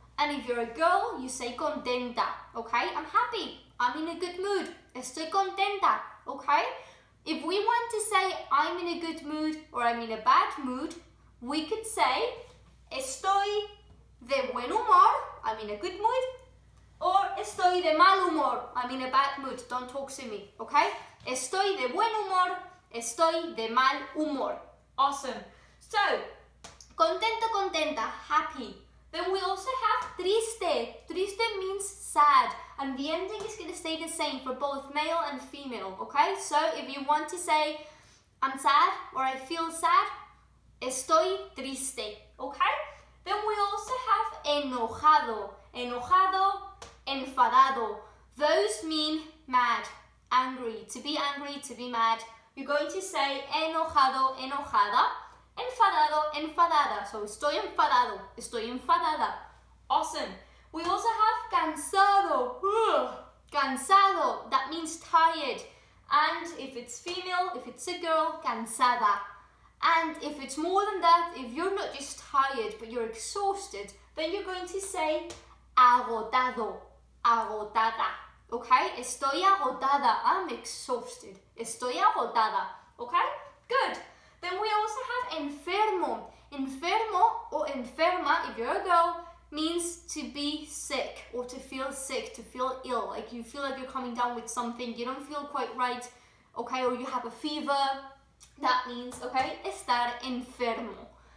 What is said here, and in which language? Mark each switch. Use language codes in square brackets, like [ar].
[en] And if you're a girl, you say contenta, okay? I'm happy, I'm in a good mood, [es] estoy contenta, [en] okay? If we want to say, I'm in a good mood or I'm in a bad mood, we could say, [es] estoy de buen humor, [en] I'm in a good mood, or [es] estoy de mal humor, [en] I'm in a bad mood, don't talk to me, okay? [es] Estoy de buen humor, estoy de mal humor. [en] Awesome. So, contento, contenta, happy. Then we also have triste. Triste means sad, and the ending is going to stay the same for both male and female, okay? So, if you want to say, I'm sad, or I feel sad, [es] estoy triste, [en] okay? Then we also have enojado, enojado, enfadado. Those mean mad, angry, to be mad. You're going to say enojado, enojada, enfadado, enfadada. [es] So estoy enfadado, estoy enfadada. [en] Awesome. We also have cansado, cansado. That means tired. And if it's female, if it's a girl, cansada. And if it's more than that, if you're not just tired, but you're exhausted, then you're going to say agotado, agotada, okay? [es] Estoy agotada, [en] I'm exhausted. [es] Estoy agotada, [en] okay? Good. Then we also have enfermo. Enfermo or enferma, if you're a girl, means to be sick or to feel sick, to feel ill. Like you feel like you're coming down with something, you don't feel quite right, okay? Or you have a fever. That means, okay, [es] estar enfermo.